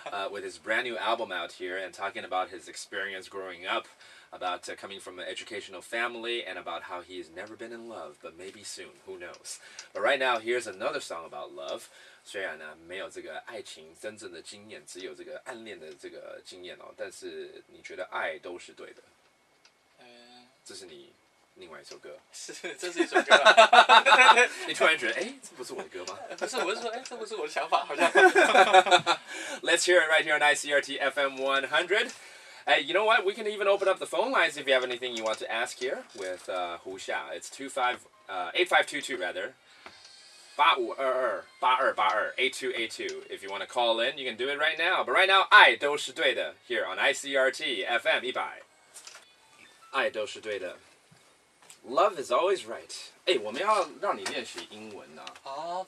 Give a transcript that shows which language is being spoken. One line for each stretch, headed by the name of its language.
English: with his brand new album out here and talking about his experience growing up, about coming from an educational family and about how he has never been in love, but maybe soon, who knows? But right now, here's another song about love.
Chinese: 虽然呢没有这个爱情真正的经验，只有这个暗恋的这个经验哦，但是你觉得爱都是对的。这是你另外一首歌。是，这是一首歌、啊。你突然觉得，这不是我的歌吗？不是，我是说，这不是我的想法，好像。
English: Let's hear it right here on ICRT FM 100. Hey, you know what? We can even open up the phone lines if you have anything you want to ask here with Hu Xia. It's 8522 rather. 8282. If you want to call in, you can do it right now. But right now, 爱都是对的, here on ICRT FM 100. 爱都是对的.Love is always right.
Chinese: 我们要让你练习英文啊。